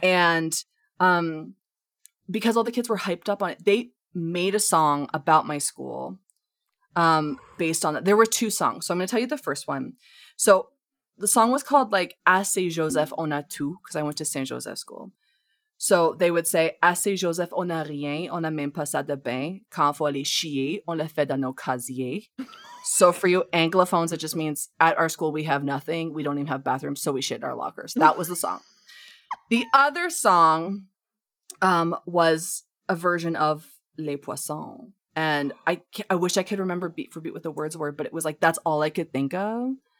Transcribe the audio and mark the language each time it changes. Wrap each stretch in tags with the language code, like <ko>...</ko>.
<en>And because all the kids were hyped up on it, they made a song about my school based on that. There were two songs. So I'm going to tell you the first one. So the song was called like</en> <fr>A Saint Joseph on a tout,</fr> <en>because I went to Saint Joseph school. So they would say,</en> <fr>A Saint Joseph on a rien, on a même pas ça de bain, quand faut aller chier, on le fait dans nos casiers.</fr> <en>So for you Anglophones, it just means at our school, we have nothing. We don't even have bathrooms, so we shit in our lockers. That was the song. The other song was a version of Les Poissons. And I wish I could remember beat for beat what the words were, but it was like, that's all I could think of.</en>